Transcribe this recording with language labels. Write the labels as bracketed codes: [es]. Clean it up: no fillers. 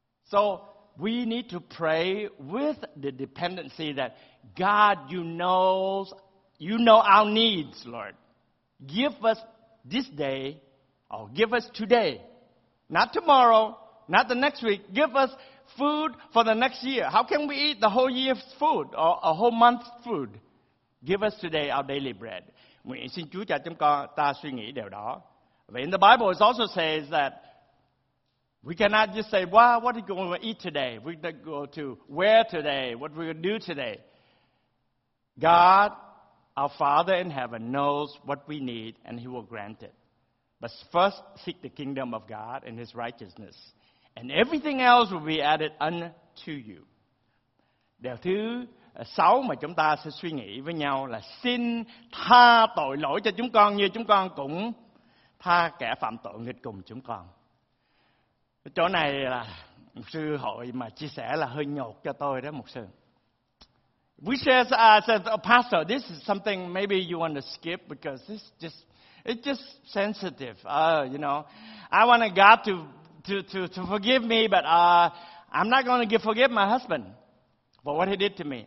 [en] So we need to pray with the dependency that God, you know our needs, Lord. Give us this day, or give us today. Not tomorrow, not the next week. Give us food for the next year. How can we eat the whole year's food or a whole month's food? Give us today our daily bread. [vi] Nguyện xin Chúa cho chúng con ta suy nghĩ điều đó. [en] In the Bible, it also says that we cannot just say, well, what are we going to eat today? We're going to go to where today? What are we going to do today? God, our Father in heaven, knows what we need and He will grant it. But first, seek the kingdom of God and His righteousness. And everything else will be added unto you. [vi] Điều thứ sáu mà chúng ta sẽ suy nghĩ với nhau là xin tha tội lỗi cho chúng con như chúng con cũng tha kẻ phạm tội nghịch cùng chúng con. Chỗ này là một sư hội mà chia sẻ là hơi nhột cho tôi đó một sư. [en] We says, Pastor, this is something maybe you want to skip because it's just sensitive. I want God to forgive me, but I'm not going to forgive my husband for what he did to me.